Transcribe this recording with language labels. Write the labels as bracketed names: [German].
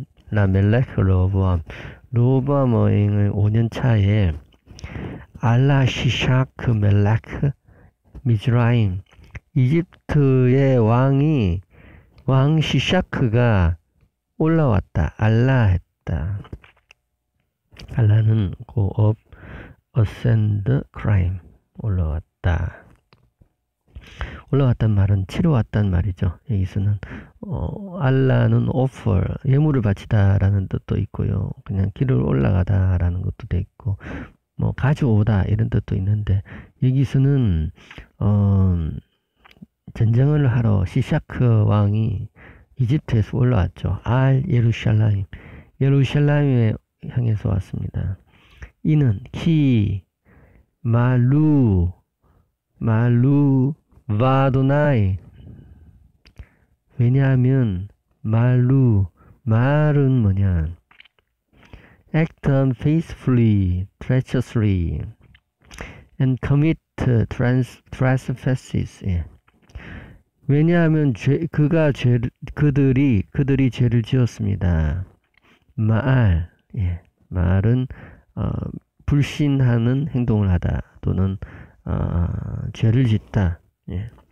[Korean] 라멜레흐 라브암. 로브암의 5년 차에 알라시샤크 멜레흐 미즈라임, 이집트의 왕이, 왕 시샤크가 올라왔다. 알라 했다. 알라는 [English] go up, ascend, climb. [Korean] 올라왔다. 올라왔단 말은 치러 왔단 말이죠. 여기서는, 알라는 offer, 예물을 바치다라는 뜻도 있고요. 그냥 길을 올라가다라는 것도 돼 있고. 뭐 가져오다 이런 뜻도 있는데 여기서는 전쟁을 하러 시샤크 왕이 이집트에서 올라왔죠. 알 예루살렘, 예루살렘에 향해서 왔습니다. [Hebrew] 이는 키 말루 말루 바도나이. [Korean] 왜냐하면 말루 말은 뭐냐? [English] Act unfaithfully, treacherously, and commit trespasses. [Korean] 예. 왜냐하면 그들이 죄를 지었습니다. 마알, 예. 마알은 불신하는 행동을 하다 또는 죄를 짓다. 예.